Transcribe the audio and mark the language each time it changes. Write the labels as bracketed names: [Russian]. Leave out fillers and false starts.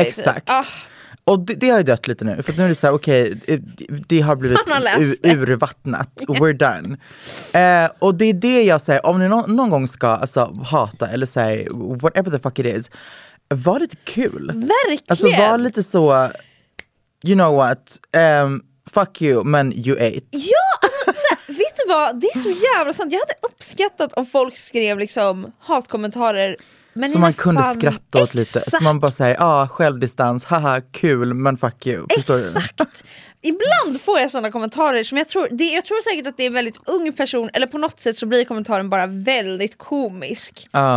[Swedish] Exakt. Och det har ju dött lite nu, för nu är det så här, okej, det har blivit urvattnat, [English] we're done. [Swedish] Och det är det jag säger, om ni någon gång ska alltså, hata eller säga [English] whatever the fuck it is, [Swedish] var lite kul. Verkligen. Alltså var lite så, [English] you know what, fuck you, men you ate. [Swedish] Ja, alltså, såhär, vet du vad, det är så jävla sant. Jag hade uppskattat om folk skrev liksom hatkommentarer. Men så man kunde fan skratta åt lite. Så man bara säger, ja, självdistans, haha, kul, men [English] fuck you. [Swedish] Förstår exakt. Du? Ibland får jag sådana kommentarer som jag tror, det, jag tror säkert att det är en väldigt ung person, eller på något sätt så blir kommentaren bara väldigt komisk.